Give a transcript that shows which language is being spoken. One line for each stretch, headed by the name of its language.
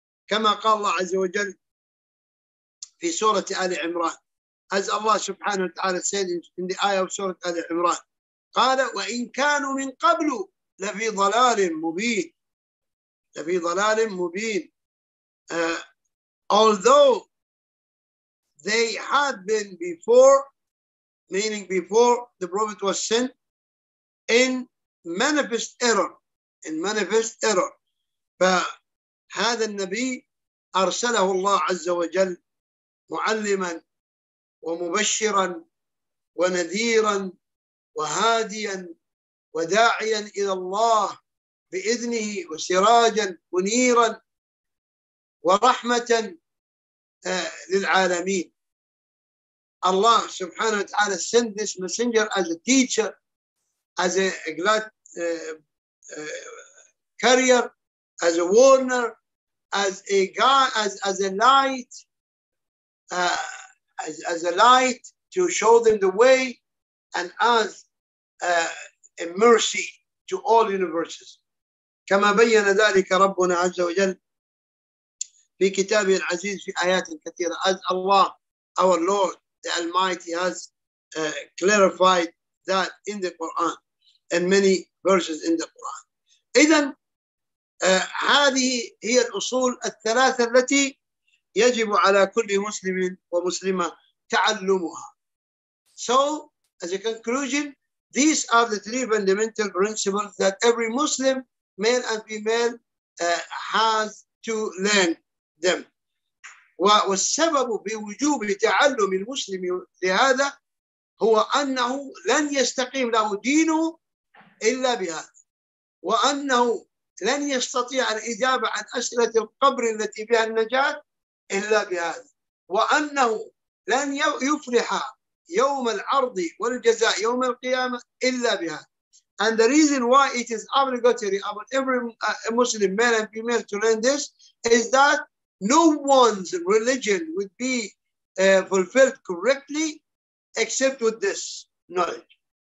Arabic: كما قال الله عز وجل في سورة آل عمران.
English: As Allah Subhanahu wa Ta'ala said in the ayah of سورة آل عمران.
Arabic: قال وإن كانوا من قبل لفي ضلال مبين. لفي ضلال مبين.
English: Although they had been before, meaning before the Prophet was sent, in manifest error, in manifest error.
Arabic: فهذا النبي أرسله الله عز وجل معلما ومبشرا ونذيرا وهاديا وداعيا إلى الله بإذنه وسراجا منيرا ورحمة للعالمين.
English: Allah subhanahu wa ta'ala sent this messenger as a teacher, as a glad carrier, as a warner, as a guide, as a light, as a light to show them the way, and as a mercy to all universes.
Arabic: كما بين ذلك ربنا عز وجل في كتابه العزيز في آيات كثيرة.
English: As Allah, our Lord, the Almighty, has clarified that in the Quran and many verses in the Quran.
Arabic: إذن هذه هي الأصول الثلاثة التي يجب على كل مسلم ومسلمة تعلمها.
English: So, as a conclusion, these are the three fundamental principles that every Muslim, male and female, has to learn them.
Arabic: والسبب بوجوب تعلم المسلم لهذا هو أنه لن يستقيم له دينه إلا بهذا، وأنه لن يستطيع الإجابة عن أسئلة القبر التي بها النجاة إلا بهذا، وأنه لن يفلح يوم العرض والجزاء يوم القيامة إلا بهذا.
English: And the reason why it is obligatory about every Muslim male and female to learn this is that no one's religion would be fulfilled correctly except with this knowledge.